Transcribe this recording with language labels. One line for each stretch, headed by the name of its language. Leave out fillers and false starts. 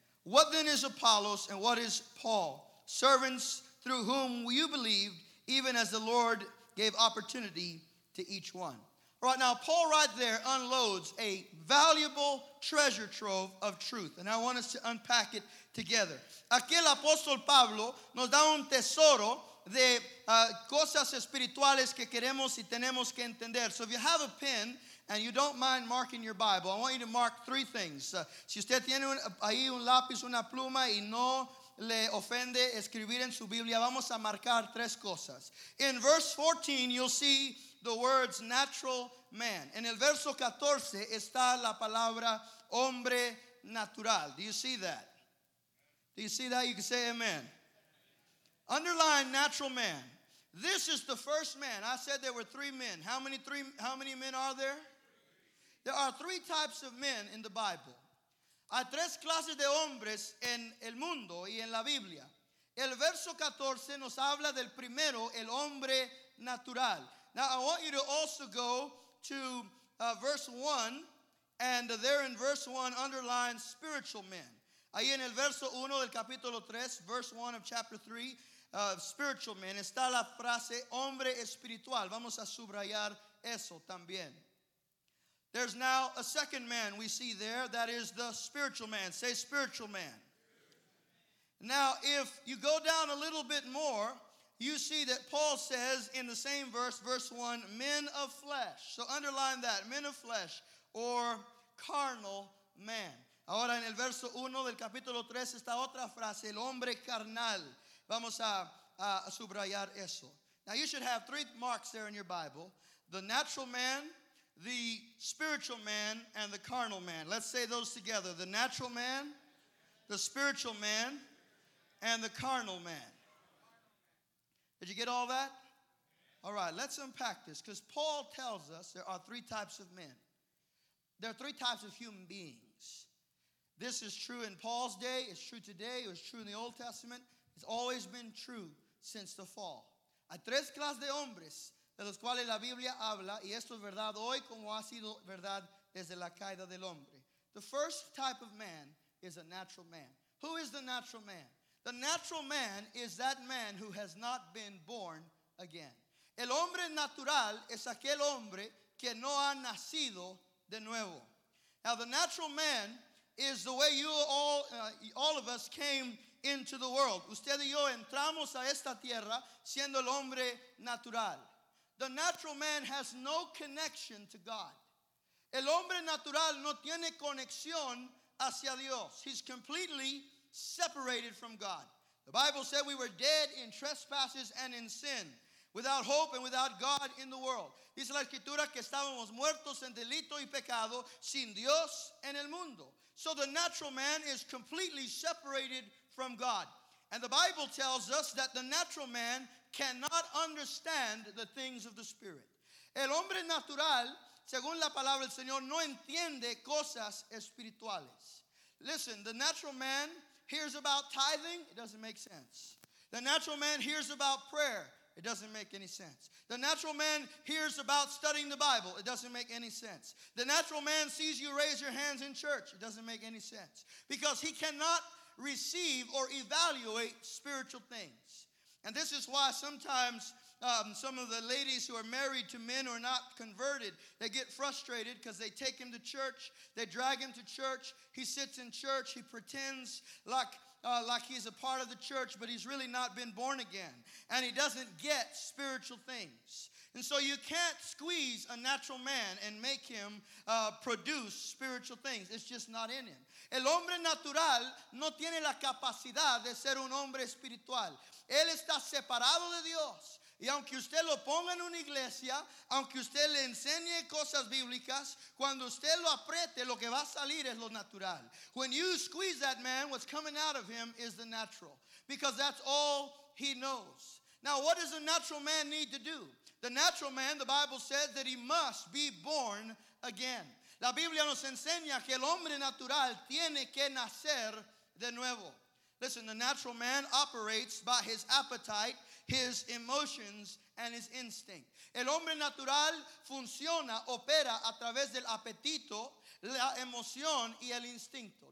English: What then is Apollos and what is Paul? Servants through whom you believed, even as the Lord gave opportunity to each one." All right, now Paul right there unloads a valuable treasure trove of truth. And I want us to unpack it together.
Spanish: Aquí el apóstol Pablo nos da un tesoro de cosas espirituales que queremos y tenemos que entender.
English: So if you have a pen and you don't mind marking your Bible, I want you to mark three things.
Spanish: Si usted tiene ahí un lápiz, una pluma y no le ofende escribir en su Biblia, vamos a marcar tres cosas.
English: In verse 14, you'll see the words "natural man."
Spanish: En el verso 14 está la palabra "hombre natural."
English: Do you see that? Do you see that? You can say amen. Underline "natural man." This is the first man. I said there were three men. How many men are there? There are three types of men in the Bible.
Spanish: Hay tres clases de hombres en el mundo y en la Biblia. El verso 14 nos habla del primero, el hombre natural.
English: Now, I want you to also go to verse 1, and there in verse 1, underline "spiritual men."
Spanish: Ahí en el verso 1 del capítulo 3,
English: verse 1 of chapter 3, "spiritual men,"
Spanish: está la frase "hombre espiritual." Vamos a subrayar eso también.
English: There's now a second man we see there, that is the spiritual man. Say "spiritual man." Now, if you go down a little bit more, you see that Paul says in the same verse, verse 1, men of flesh. So underline that, men of flesh or carnal man.
Spanish: Ahora en el verso 1 del capítulo 3 está otra frase, el hombre carnal. Vamos a subrayar eso.
English: Now you should have three marks there in your Bible. The natural man, the spiritual man, and the carnal man. Let's say those together. The natural man, the spiritual man, and the carnal man. Did you get all that? All right, let's unpack this. Because Paul tells us there are three types of men. There are three types of human beings. This is true in Paul's day. It's true today. It was true in the Old Testament. It's always been true since the fall.
Spanish: Hay tres clases de hombres de los cuales la Biblia habla, y esto es verdad hoy como ha sido verdad desde la caída del hombre.
English: The first type of man is a natural man. Who is the natural man? The natural man is that man who has not been born again.
Spanish: El hombre natural es aquel hombre que no ha nacido de nuevo.
English: Now the natural man is the way you all of us came into the world.
Spanish: Usted y yo entramos a esta tierra siendo el hombre natural.
English: The natural man has no connection to God.
Spanish: El hombre natural no tiene conexión hacia Dios.
English: He's completely separated from God. The Bible said we were dead in trespasses and in sin, without hope and without God in the world.
Spanish: Dice la escritura que estábamos muertos en delito y pecado, sin Dios en el mundo.
English: So the natural man is completely separated from God. And the Bible tells us that the natural man cannot understand the things of the Spirit.
Spanish: El hombre natural, según la palabra del Señor, no entiende cosas espirituales.
English: Listen, the natural man hears about tithing, it doesn't make sense. The natural man hears about prayer, it doesn't make any sense. The natural man hears about studying the Bible, it doesn't make any sense. The natural man sees you raise your hands in church, it doesn't make any sense. Because he cannot receive or evaluate spiritual things. And this is why sometimes some of the ladies who are married to men who are not converted, they get frustrated because they take him to church, they drag him to church, he sits in church, he pretends like he's a part of the church, but he's really not been born again. And he doesn't get spiritual things. And so you can't squeeze a natural man and make him produce spiritual things. It's just not in him.
Spanish: El hombre natural no tiene la capacidad de ser un hombre espiritual. Él está separado de Dios. Y aunque usted lo ponga en una iglesia, aunque usted le enseñe cosas bíblicas, cuando usted lo apriete, lo que va a salir es lo natural.
English: When you squeeze that man, what's coming out of him is the natural. Because that's all he knows. Now, what does a natural man need to do? The natural man, the Bible says that he must be born again.
Spanish: La Biblia nos enseña que el hombre natural tiene que nacer de nuevo.
English: Listen, the natural man operates by his appetite, his emotions, and his instinct.
Spanish: El hombre natural funciona, opera a través del apetito, la emoción, y el instinto.